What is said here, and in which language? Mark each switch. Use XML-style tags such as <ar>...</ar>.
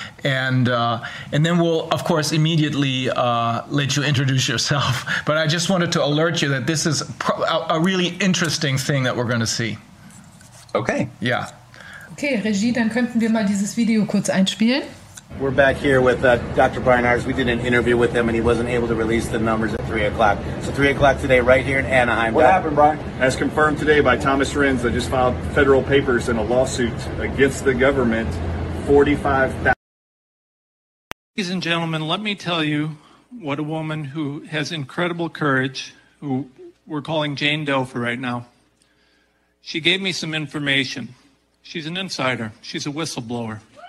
<en>And then we'll, of course, immediately let you introduce yourself. But I just wanted to alert you that this is a really interesting thing that we're going to see. Okay. Yeah.</en> <de>Okay, Regie, dann könnten wir mal dieses Video kurz einspielen.</de> <en>We're back here with Dr. Brian Ayers. We did an interview with him, and he wasn't able to release the numbers at 3 o'clock. So 3 o'clock today, right here in Anaheim. What happened, Brian? As confirmed today by Thomas Rentz, I just filed federal papers in a lawsuit against the government, $45,000. Ladies and gentlemen, let me tell you what a woman who has incredible courage, who we're calling Jane Doe for right now, she gave me some information. She's an insider. She's a whistleblower.</en>